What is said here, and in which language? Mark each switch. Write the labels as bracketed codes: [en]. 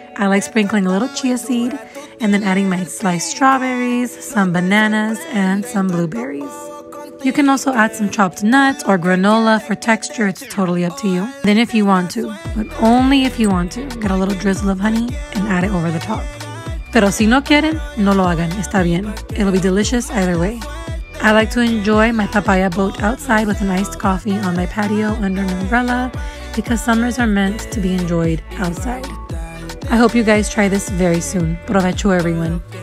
[en] I like sprinkling a little chia seed, and then adding my sliced strawberries, some bananas, and some blueberries. You can also add some chopped nuts or granola for texture, it's totally up to you. Then if you want to, but only if you want to, get a little drizzle of honey and add it over the top. [es] Pero si no quieren, no lo hagan, está bien. [en] It'll be delicious either way. I like to enjoy my papaya boat outside with an iced coffee on my patio under an umbrella because summers are meant to be enjoyed outside. I hope you guys try this very soon. Provecho, everyone.